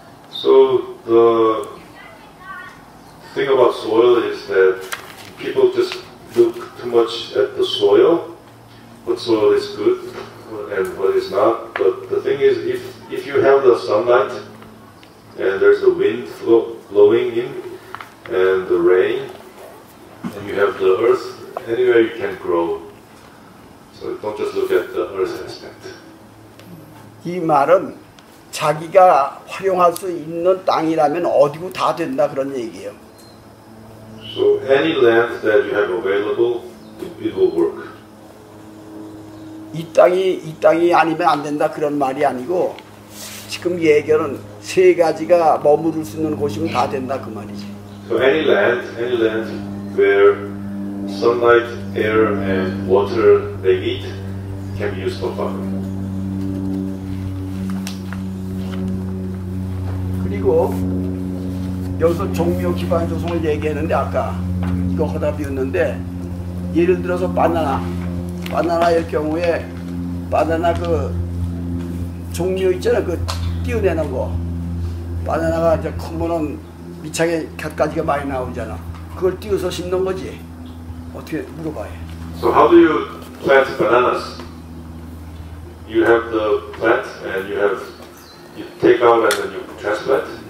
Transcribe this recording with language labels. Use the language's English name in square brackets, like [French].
[English] So the thing about soil is that people just look too much at the soil, what soil is good and what is not. But the thing is, if you have the sunlight and there's the wind blowing in and the rain and you have the earth, anywhere you can grow. So don't just look at the earth aspect. [Korean] 이 말은 자기가 활용할 수 있는 땅이라면 어디고 다 된다 그런 얘기예요. [English] So any land that you have available, it will work. [Korean] 이 땅이 아니면 안 된다 그런 말이 아니고 지금 얘기하는 세 가지가 머무를 수 있는 곳이면 다 된다 그 말이지. [English] So any land where sunlight, air, and water they meet can be used for farming. [Korean] 그리고 여기서 종묘 기반 조성을 얘기했는데 아까 이거 하다 비웠는데 예를 들어서 바나나의 경우에 바나나 그 종묘 있잖아 그 띄어내는 거 바나나가 이제 크면은 밑창에 곁가지가 많이 나오잖아 그걸 띄어서 심는 거지 어떻게 물어봐요. [English] So how do you plant bananas? You have the plant and you take out and then you transplant.